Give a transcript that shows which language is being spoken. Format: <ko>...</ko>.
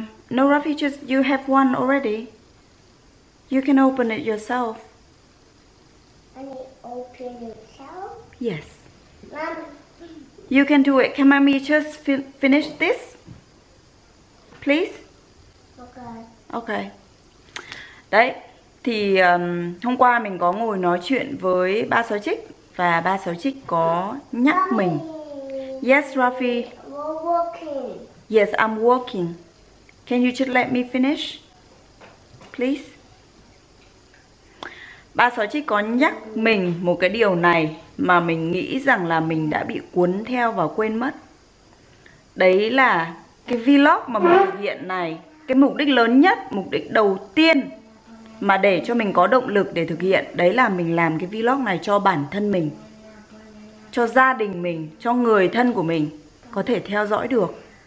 <en>no, Rafi, just you have one already. You can open it yourself. Can you open yourself? Yes. Mommy. You can do it. Can mommy just finish this? Please? Okay.</en> <vi>Đấy, thì hôm qua mình có ngồi nói chuyện với ba sáu chích và ba sáu chích có nhắc</vi> <en>mommy.</en> <vi>Mình.</vi> <en>Yes, Rafi. We're working. Yes, I'm working. Can you just let me finish, please?</en> <vi>Ba sáu chích có nhắc mình một cái điều này mà mình nghĩ rằng là mình đã bị cuốn theo và quên mất. Đấy là cái vlog mà mình thực hiện này, cái mục đích lớn nhất, mục đích đầu tiên mà để cho mình có động lực để thực hiện, đấy là mình làm cái vlog này cho bản thân mình, cho gia đình mình, cho người thân của mình có thể theo dõi được.</vi>